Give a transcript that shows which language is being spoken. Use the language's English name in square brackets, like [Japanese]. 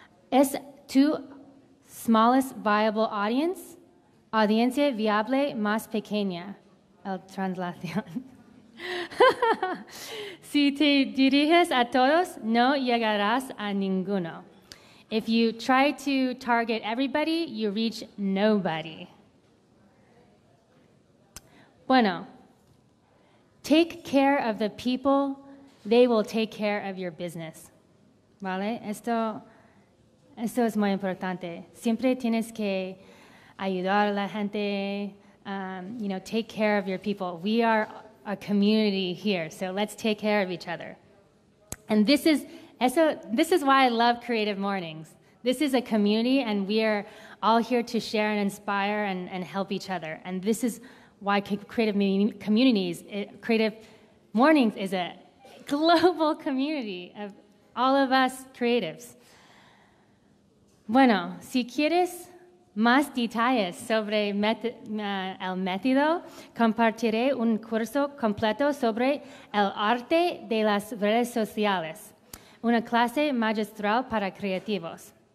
[Spanish] Es tu [English] smallest viable audience, [Spanish] audiencia viable más pequeña. El translación. Si te diriges a todos, no llegarás a ninguno. [English] If you try to target everybody, you reach nobody. Bueno, take care of the people, they will take care of your business. [Spanish] ¿Vale? Esto es muy importante. Siempre tienes que ayudar a la gente, [English] take care of your people. We are a community here, so let's take care of each other. And this is why I love Creative Mornings. This is a community, and we are all here to share and inspire and help each other. And this is why Creative Mornings is a global community of all of us creatives. [Spanish] Bueno, si quieres más detalles sobre el método, compartiré un curso completo sobre el arte de las redes sociales, una clase magistral para creativos.